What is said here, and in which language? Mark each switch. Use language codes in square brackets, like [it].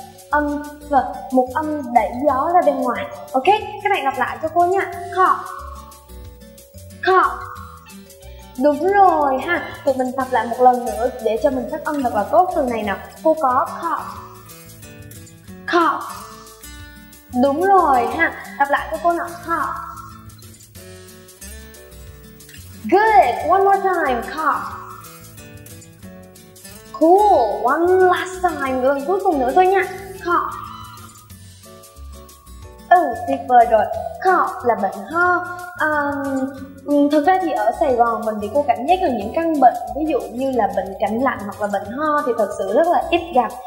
[vi] Âm v, một âm đẩy gió ra bên ngoài. Ok, các bạn đọc lại cho cô nha. Cough. Cough. Đúng rồi ha, tụi mình tập lại một lần nữa để cho mình phát âm thật là tốt từ này nè. Cô có cough. Cough. Đúng rồi ha, đọc lại cho cô nè. [en] Cough. Good, one more time, cough. Cool, one last time, [vi] lần cuối cùng nữa thôi nha. Cough. Ừ, tuyệt vời rồi. Cough là bệnh ho. Thực ra thì ở Sài Gòn mình thì cô cảm giác là những căn bệnh ví dụ như là bệnh cảnh lạnh hoặc là bệnh ho thì thật sự rất là ít gặp.